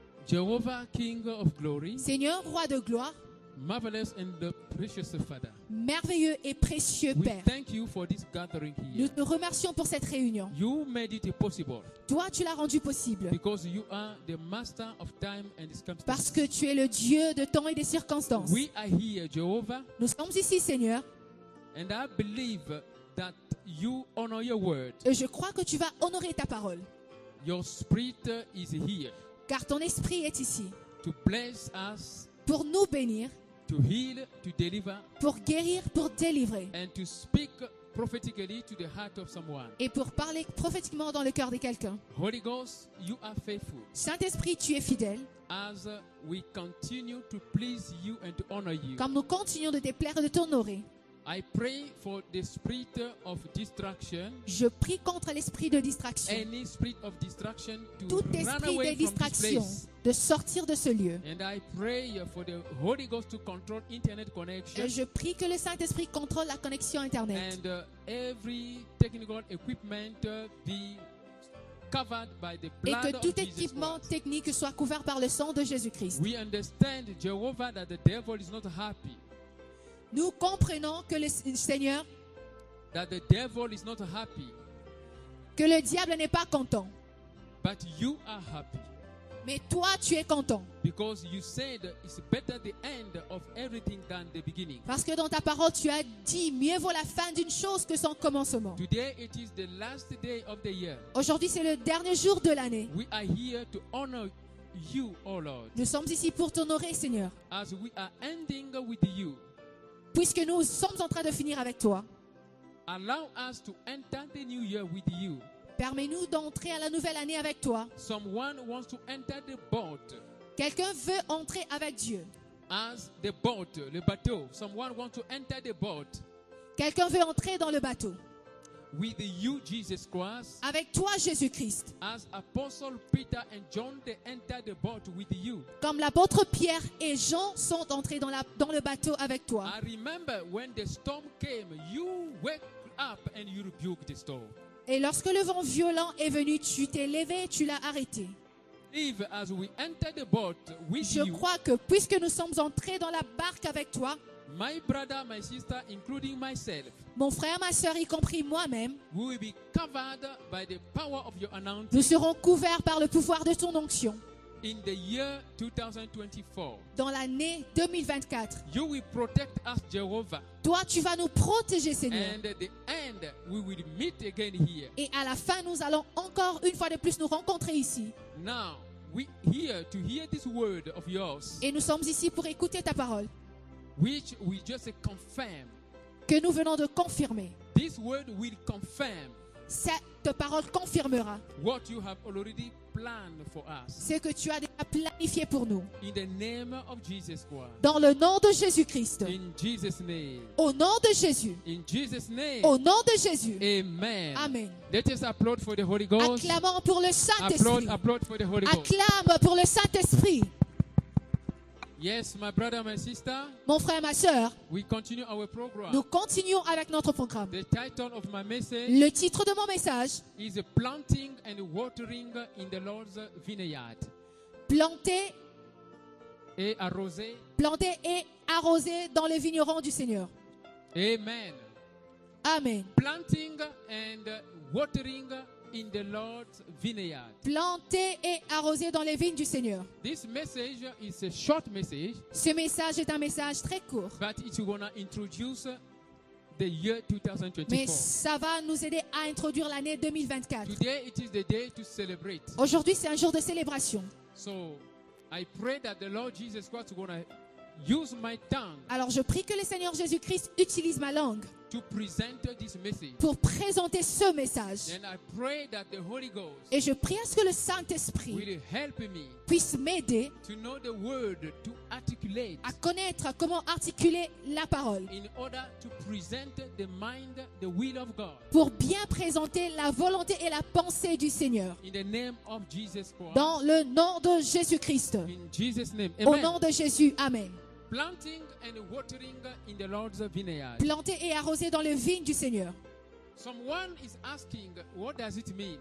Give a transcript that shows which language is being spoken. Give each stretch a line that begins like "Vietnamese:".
English: Jehovah, King of Glory.
French: Seigneur, roi de gloire.
English: Marvelous and precious Father.
French: Merveilleux et précieux Père.
English: We thank you for this gathering here.
French: Nous te remercions pour cette réunion.
English: You made it possible.
French: Toi, tu l'as rendu possible.
English: Because you are the master of time and circumstances.
French: Parce que tu es le Dieu de temps et des circonstances.
English: We are here, Jehovah.
French: Nous sommes ici, Seigneur.
English: And I believe that you honor your word.
French: Et je crois que tu vas honorer ta parole.
English: Your spirit is here.
French: Car ton esprit est ici.
English: To bless us.
French: Pour nous bénir,
English: to heal, to deliver,
French: pour guérir, pour délivrer,
English: and to speak prophetically to the heart of someone.
French: Et pour parler prophétiquement dans le cœur de quelqu'un.
English: Holy Ghost, you are faithful.
French: Saint-Esprit, tu es fidèle.
English: As we continue to please you and to honor you,
French: comme nous continuons de te plaire et de t'honorer,
English: I pray for the spirit of distraction.
French: Je prie contre l'esprit de distraction.
English: Any spirit of distraction to
French: tout esprit
English: run away
French: de distraction de sortir de ce lieu.
English: And I pray for the Holy Ghost to control internet connection.
French: Et je prie que le Saint-Esprit contrôle la connexion internet.
English: And every technical equipment be covered by the blood of Jesus.
French: Et que tout équipement technique soit couvert par le sang de Jésus-Christ.
English: We understand, Jehovah, that the devil is not happy.
French: Nous comprenons que le Seigneur,
English: that the devil is not happy,
French: que le diable n'est pas content,
English: but you are happy,
French: mais toi tu es content,
English: because you said it's better the end of everything than the beginning.
French: Parce que dans ta parole tu as dit mieux vaut la fin d'une chose que son commencement.
English: Today it is the last day of the year.
French: Aujourd'hui c'est le dernier jour de l'année.
English: We are here to honor you, oh Lord.
French: Nous sommes ici pour t'honorer, Seigneur.
English: As we are ending with you.
French: Puisque nous sommes en train de finir avec toi,
English: allow us to enter the new year with you.
French: Permets-nous d'entrer à la nouvelle année avec toi.
English: Someone wants to enter the boat.
French: Quelqu'un veut entrer avec Dieu.
English: As the boat,
French: le bateau.
English: Someone wants to enter the boat.
French: Quelqu'un veut entrer dans le bateau.
English: With you, Jesus Christ.
French: Avec toi, Jésus-Christ.
English: As Apostle Peter and John, they entered the boat with you.
French: Comme l'apôtre Pierre et Jean sont entrés dans le bateau avec toi.
English: I remember when the storm came, you woke up and you rebuked the storm.
French: Et lorsque le vent violent est venu, tu t'es levé, tu l'as arrêté.
English: If as we enter the boat with
French: Je crois que puisque nous sommes entrés dans la barque avec toi.
English: My brother, my sister, including myself,
French: mon frère, ma sœur, y compris moi-même,
English: we will be covered by the power of your anointing.
French: Nous serons couverts par le pouvoir de ton onction.
English: In the year 2024,
French: dans l'année 2024,
English: you will protect us, Jehovah.
French: Toi, tu vas nous protéger, Seigneur.
English: And at the end, we will meet again here.
French: Et à la fin, nous allons encore une fois de plus nous rencontrer ici.
English: Now, we here to hear this word of yours.
French: Et nous sommes ici pour écouter ta parole.
English: Which we just confirm.
French: Que nous venons de confirmer.
English: This word will confirm.
French: Cette parole confirmera.
English: What you have already planned for us.
French: Ce que tu as déjà planifié pour nous.
English: In the name of Jesus Christ.
French: Dans le nom de Jésus-Christ.
English: In Jesus name.
French: Au nom de Jésus.
English: In Jesus name.
French: Au nom de Jésus.
English: Amen.
French: Amen.
English: Let us applaud for the Holy Ghost.
French: Acclamons pour le Saint-Esprit.
English: Applaud for the Holy Ghost.
French: Acclame pour le Saint-Esprit.
English: Yes, my brother, my sister.
French: Mon frère, ma sœur.
English: We continue our program.
French: Nous continuons avec notre programme.
English: The title of my message.
French: Le titre de mon message.
English: Is planting and watering in the Lord's vineyard.
French: Planter. Et arroser. Planter et arroser dans le vigneron du Seigneur.
English: Amen.
French: Amen.
English: Planting and watering in the Lord's vineyard.
French: Planter et arroser dans les vignes du Seigneur.
English: This message is a short message.
French: Ce message est un message très court.
English: But it's gonna introduce the year 2024.
French: Mais ça va nous aider à introduire l'année 2024.
English: Today it is the day to celebrate.
French: Aujourd'hui c'est un jour de célébration.
English: So I pray that the Lord Jesus Christ gonna use my tongue.
French: Alors je prie que le Seigneur Jésus-Christ utilise ma langue.
English: To present this message.
French: Pour présenter ce message.
English: And I pray that the Holy Ghost.
French: Et je prie à ce que le Saint-Esprit
English: will help me.
French: Puisse m'aider.
English: To know the word to articulate.
French: À connaître comment articuler la parole.
English: In order to present the mind, the will of God.
French: Pour bien présenter la volonté et la pensée du Seigneur.
English: In the name of Jesus Christ.
French: Dans le nom de Jésus-Christ.
English: In Jesus' name.
French: Amen. Au nom de Jésus. Amen.
English: Planting and watering in the Lord's vineyard.
French: Planter et arroser dans les vignes du Seigneur.
English: Someone is asking, what does it mean?